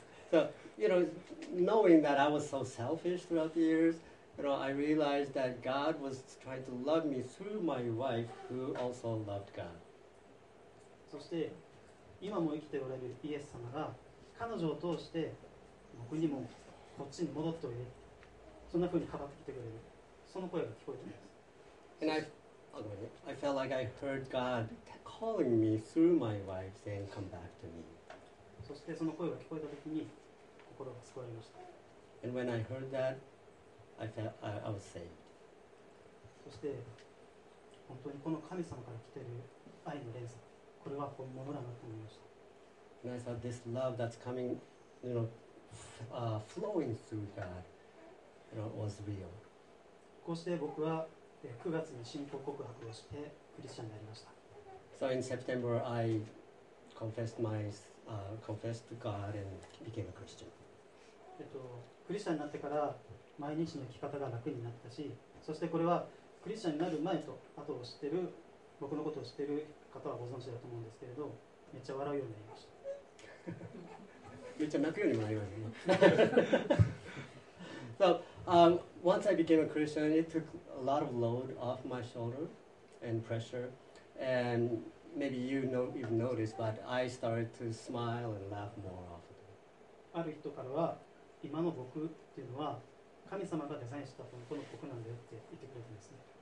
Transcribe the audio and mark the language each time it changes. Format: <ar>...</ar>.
<en>So, you know, knowing that I was so selfish throughout the years, you know, I realized that God was trying to love me through my wife, who also loved God.</en> <ja>そして、今も生きておられるイエス様が、彼女を通して、僕にもこっちに戻っておいで。そんな風に語ってきてくれる。その声が聞こえています。</ja> <en>And I felt like I heard God calling me through my wife, saying, come back to me.</en> <ja>そしてその声が聞こえたときに、心が救われました。</ja> <en>And when I heard that, I felt I was saved.</en> <ja>そして本当にこの神様から来ている愛の連鎖、これは本物だなと思いました。</ja> <en>And I saw this love that's coming, you know, flowing through God, you know, was real.</en> <ja>こうして僕は9月に信仰告白をしてクリスチャンになりました。</ja> <en>So in September, I confessed my confessed to God and became a Christian.</en> <ja>クリスチャンになってから毎日の生き方が楽になったし、そしてこれはクリスチャンになる前と後を知ってる、僕のことを知ってる方はご存知だと思うんですけれど、めっちゃ笑うようになりました。めっちゃ泣くようにもなりましたね。</ja> <en>So, once I became a Christian, it took a lot of load off my shoulder and pressure and maybe you know you've noticed, but I started to smile and laugh more often.</en> <ja>ある人からは、今の僕っていうのは神様がデザインした本当の僕なんだよって言ってくれてますね。</ja>